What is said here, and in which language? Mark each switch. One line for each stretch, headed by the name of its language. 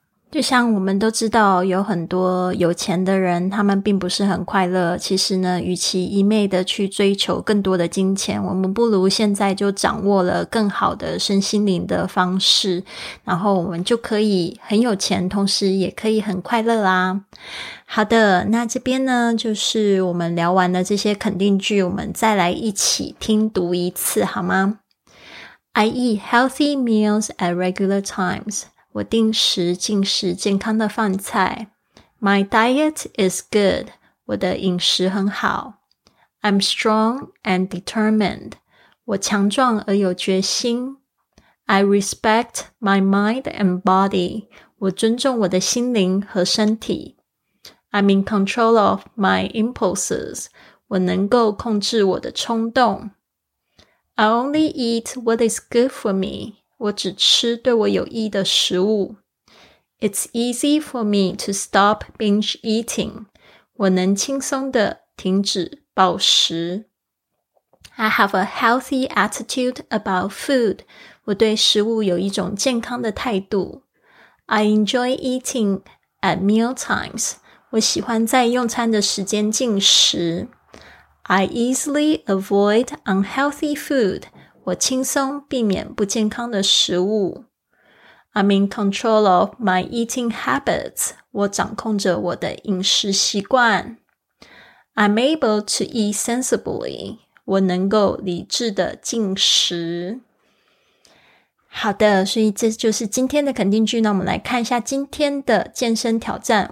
Chinese: 就像我们都知道有很多有钱的人他们并不是很快乐，其实呢与其一昧的去追求更多的金钱，我们不如现在就掌握了更好的身心灵的方式，然后我们就可以很有钱同时也可以很快乐啦。好的，那这边呢就是我们聊完了这些肯定句，我们再来一起听读一次好吗？
English: I eat healthy meals at regular times.
Chinese: 我定时进食健康的饭菜。
English: My diet is good.
Chinese: 我的饮食很好。
English: I'm strong and determined.
Chinese: 我强壮而有决心。
English: I respect my mind and body.
Chinese: 我尊重我的心灵和身体。
English: I'm in control of my impulses.
Chinese: 我能够控制我的冲动。
English: I only eat what is good for me.
Chinese: 我只吃对我有益的食物。
English: It's easy for me to stop binge eating.
Chinese: 我能轻松地停止暴食。
English: I have a healthy attitude about food.
Chinese: 我对食物有一种健康的态度。
English: I enjoy eating at meal times.
Chinese: 我喜欢在用餐的时间进食。
English: I easily avoid unhealthy food.
Chinese: 我轻松避免不健康的食物。
English: I'm in control of my eating habits.
Chinese: 我掌控着我的饮食习惯。
English: I'm able to eat sensibly.
Chinese: 我能够理智的进食。好的，所以这就是今天的肯定句。那我们来看一下今天的健身挑战。